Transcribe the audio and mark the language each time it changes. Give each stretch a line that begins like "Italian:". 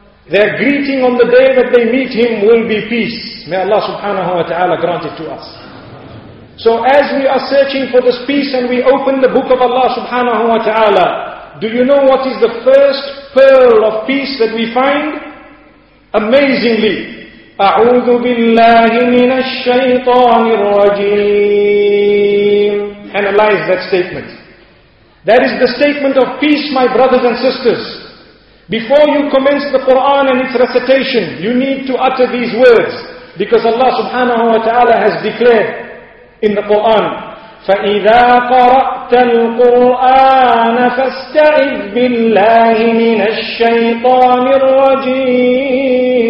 English: Their greeting on the day that they meet Him will be peace. May Allah subhanahu wa ta'ala grant it to us. So as we are searching for this peace and we open the book of Allah subhanahu wa ta'ala, do you know what is the first pearl of peace that we find? Amazingly,
Arabic: أَعُوذُ بِاللَّهِ مِنَ الشَّيْطَانِ الرَّجِيمِ.
English: Analyze that statement. That is the statement of peace, my brothers and sisters. Before you commence the Quran and its recitation, you need to utter these words. Because Allah subhanahu wa ta'ala has declared in the Quran,
Arabic: فَإِذَا قَرَأْتَ الْقُرْآنَ فَاسْتَعِذْ بِاللَّهِ مِنَ الشَّيْطَانِ الرَّجِيمِ.